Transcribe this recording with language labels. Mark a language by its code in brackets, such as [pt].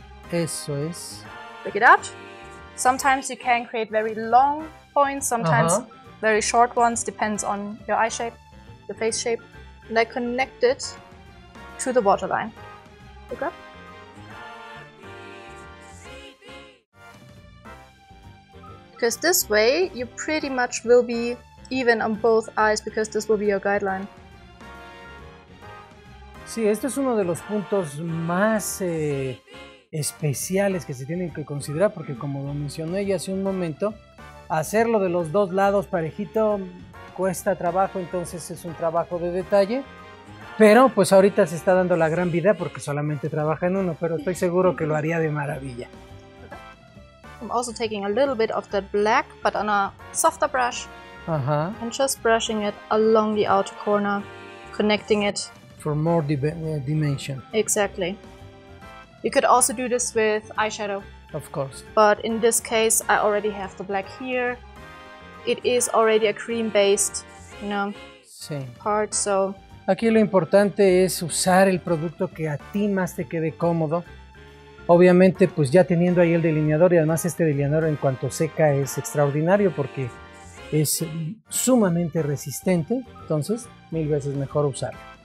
[es] Eso es. [en] Flick it out. Sometimes you can create very long points, sometimes very short ones, depends on your eye shape, your face shape. And I connect it to the waterline. Look up. Because this way, you pretty much will be even on both eyes, because this will be your guideline. [es] Sí, este es uno de los puntos más especiales que se tienen que considerar, porque como lo mencioné ya hace un momento, hacerlo de los dos lados parejito cuesta trabajo, entonces es un trabajo de detalle. Pero pues ahorita se está dando la gran vida porque solamente trabaja en uno, pero estoy seguro que lo haría de maravilla. [en] I'm also taking a little bit of that black, but on a softer brush. Uh-huh. And just brushing it along the outer corner, connecting it. For more dimension. Exactly. You could also do this with eyeshadow. Of course. But in this case, I already have the black here. It is already a cream-based, you know, [es] sí. [en] Part, so... [es] Aquí lo importante es usar el producto que a ti más te quede cómodo. Obviamente, pues ya teniendo ahí el delineador, y además este delineador en cuanto seca es extraordinario porque es sumamente resistente, entonces mil veces mejor usarlo.